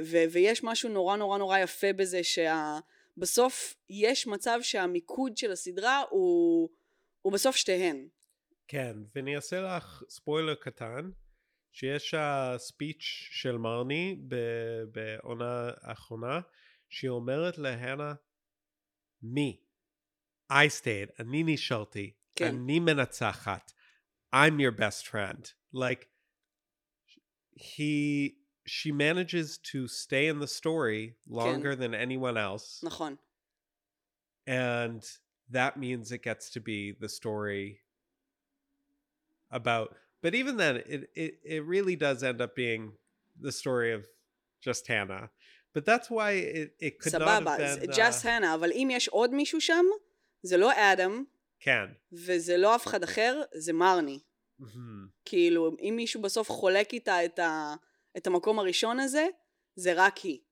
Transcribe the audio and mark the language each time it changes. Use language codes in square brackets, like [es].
[he] ויש משהו נורא נורא נורא יפה בזה, שבסוף יש מצב שהמיקוד של הסדרה הוא בסוף שתיהן. כן, ואני אעשה לך ספוילר קטן, שיש הספיץ' של מרני בעונה האחרונה, שהיא אומרת להנה, מי? [en] I stayed, [he] אני נשארתי, כן. אני מנצחת, [en] I'm your best friend. Like, she manages to stay in the story longer, [he] כן, [en] than anyone else. [he] נכון. [en] And that means it gets to be the story about, but even then it really does end up being the story of just Hannah. But that's why it could [he] סבבה, [en] not have been just Hannah. [he] אבל אם יש עוד מישהו שם, זה לא אדם, כן, וזה לא אף אחד אחר, זה מרני. כאילו, אם מישהו בסוף חולק איתה את את המקום הראשון הזה, זה רק היא.